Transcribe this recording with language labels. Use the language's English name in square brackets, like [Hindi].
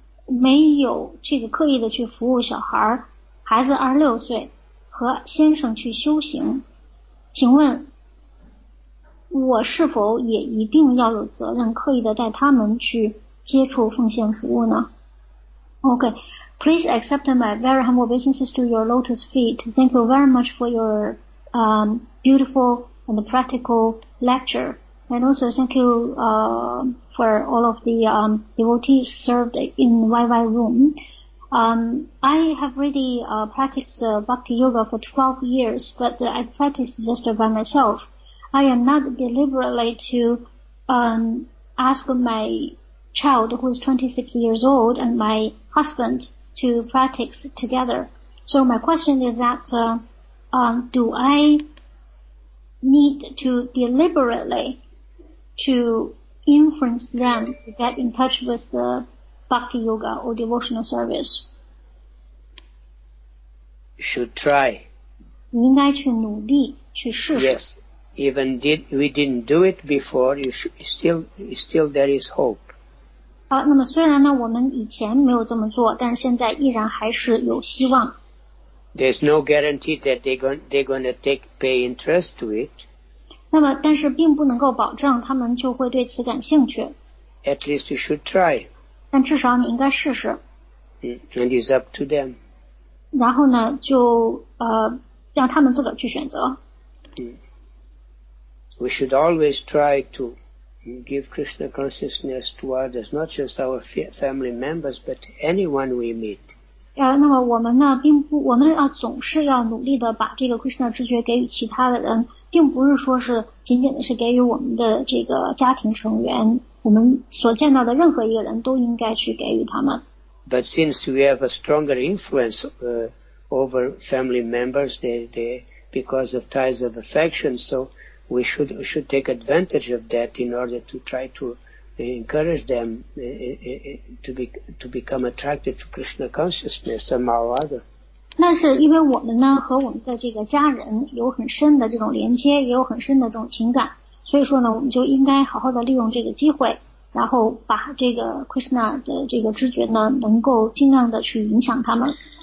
[Chinese] 没有这个刻意的去服务小孩，孩子26岁和先生去修行，请问我是否也一定要有责任刻意的带他们去接触奉献服务呢？ [English] OK, please accept my very humble obeisances to your lotus feet. Thank you very much for your beautiful and practical lecture. And also thank you for all of the devotees served in YY room. I have already practiced Bhakti Yoga for 12 years, but I practiced just by myself. I am not deliberately to ask my child who is 26 years old and my husband to practice together. So my question is that do I need to deliberately to influence them to get in touch with the Bhakti Yoga or devotional service? You should try. [Chinese] 你应该去努力去试试。 [English] Yes, even did we didn't do it before, you should, still there is hope. [Chinese] 好，那么虽然呢，我们以前没有这么做，但是现在依然还是有希望。 [English] There's no guarantee that they're gonna take pay interest to it. [Chinese] 那么，但是并不能够保证他们就会对此感兴趣。 [English] At least you should try. [Chinese] 但至少你应该试试。 [English] And it's up to them. [Chinese] 然后呢，就让他们自个儿去选择。 [English] We should always try to give Krishna consciousness to others, not just our family members, but anyone we meet. [Chinese] 那么我们呢，并不，我们要总是要努力的把这个 Krishna 知觉给予其他的人，并不是说是仅仅的是给予我们的这个家庭成员，我们所见到的任何一个人都应该去给予他们。 [English] But since we have a stronger influence over family members, they because of ties of affection, so we should take advantage of that in order to try to encourage them to become attracted to Krishna consciousness somehow or other. [Chinese] 那是因为我们呢和我们的这个家人有很深的这种连接，也有很深的这种情感，所以说呢，我们就应该好好的利用这个机会，然后把这个 Krishna 的这个知觉呢，能够尽量的去影响他们。